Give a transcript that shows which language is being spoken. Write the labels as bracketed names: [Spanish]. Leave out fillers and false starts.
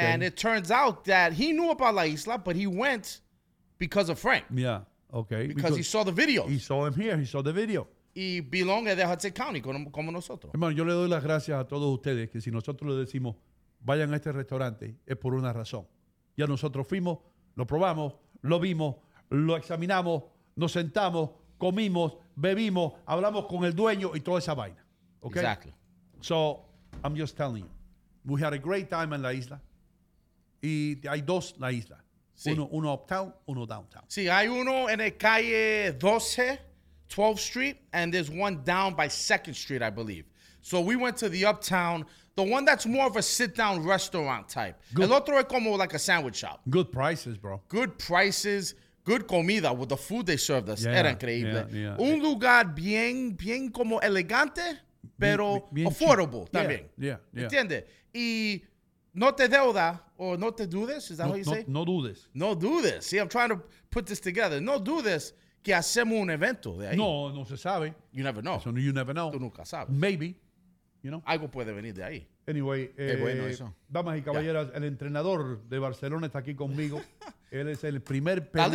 [English] And it turns out that he knew about La Isla, but he went because of Frank. Yeah, okay. Because he saw the video. He saw him here. He saw the video. [Spanish] Y Bilón es de Hudson County, como nosotros. Hermano, yo le doy las gracias a todos ustedes que si nosotros le decimos vayan a este restaurante, es por una razón. Ya nosotros fuimos, lo probamos, lo vimos, lo examinamos, nos sentamos, comimos, bebimos, hablamos con el dueño y toda esa vaina. [English] Okay? Exactly. So, I'm just telling you, we had a great time en La Isla. [Spanish] Y hay dos La Isla. Sí. Uno uptown, uno downtown. Sí, hay uno en el calle 12, [English] 12th Street, and there's one down by 2nd Street, I believe. So, we went to the uptown. The one that's more of a sit-down restaurant type. Good. [Spanish] El otro es como [English] like a sandwich shop. Good prices, bro. Good prices, good comida with the food they served us. [Spanish] Yeah, era increíble. [English] Yeah. [Spanish] Un lugar bien, bien como elegante, pero bien [English] affordable cheap. [Spanish] También. [English] Yeah. [Spanish] ¿Entiende? Y no te deuda, or no te dudes, is that no, [English] how you [Spanish] no, [English] say? [Spanish] No dudes. No dudes. [English] See, I'm trying to put this together. [Spanish] No dudes que hacemos un evento de ahí. No se sabe. [English] You never know. So you never know. [Spanish] Tú nunca sabes. [English] Maybe. You know? [Spanish] Algo puede venir de ahí. [English] Anyway, [Spanish] bueno eso. Damas y caballeras, yeah. El entrenador de Barcelona está aquí conmigo. Él es el primer peruano.